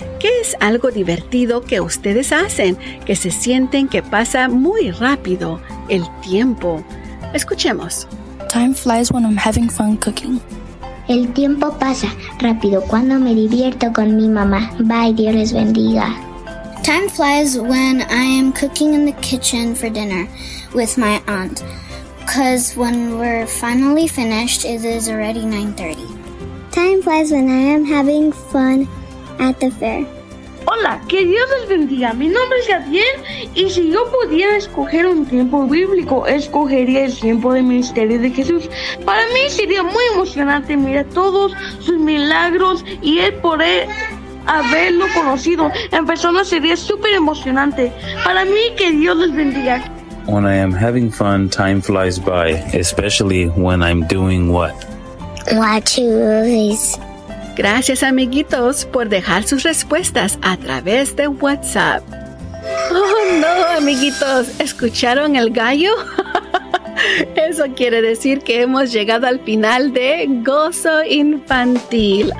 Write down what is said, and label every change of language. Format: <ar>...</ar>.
<es>¿Qué es algo divertido que ustedes hacen que se sienten que pasa muy rápido el tiempo? Escuchemos.</es> <en>Time flies when I'm having fun cooking.</en> <es>El tiempo pasa rápido cuando me divierto con mi mamá. Bye, Dios les bendiga.</es> <en>Time flies when I am cooking in the kitchen for dinner with my aunt. Because when we're finally finished, it is already 9:30. Time flies when I am having fun at the fair.</en> <es>Hola, que Dios les bendiga. Mi nombre es Gabriel y si yo pudiera escoger un tiempo bíblico, escogería el tiempo del ministerio de Jesús. Para mí sería muy emocionante mirar todos sus milagros y el poder haberlo conocido en persona sería súper emocionante. Para mí, que Dios les bendiga.</es> <en>When I am having fun, time flies by, especially when I'm doing what? Watching movies.</en> <es>Gracias, amiguitos, por dejar sus respuestas a través de WhatsApp. ¡Oh, no, amiguitos! ¿Escucharon el gallo? Eso quiere decir que hemos llegado al final de Gozo Infantil.</es>